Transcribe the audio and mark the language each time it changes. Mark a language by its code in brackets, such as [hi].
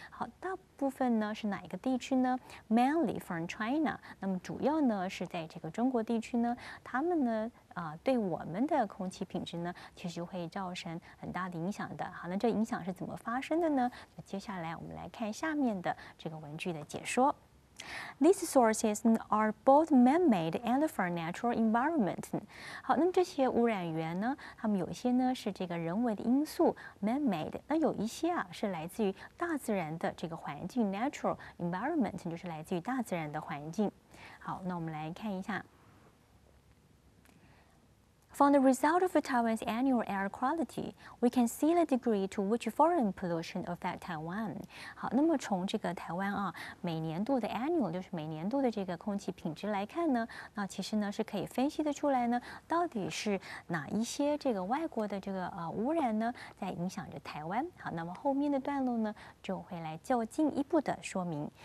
[zh] 好，大部分呢是哪一个地区呢 ？ [en] Mainly from China。 [zh] 那么主要呢是在这个中国地区呢，他们呢对我们的空气品质呢，其实会造成很大的影响的。好，那这影响是怎么发生的呢？就接下来我们来看下面的这个文句的解说。 [en] These sources are both man-made and from natural environment. [zh] 好，那么这些污染源呢，它们有些呢是这个人为的因素 man-made， 那有一些啊是来自于大自然的这个环境 natural environment， 就是来自于大自然的环境。好，那我们来看一下。 [en] From the result of Taiwan's annual air quality, we can see the degree to which foreign pollution affect Taiwan. [zh] 好，那么从这个台湾啊，每年度的 annual 就是每年度的这个空气品质来看呢，那其实呢是可以分析的出来呢，到底是哪一些这个外国的这个污染呢，在影响着台湾。好，那么后面的段落呢，就会来较进一步的说明。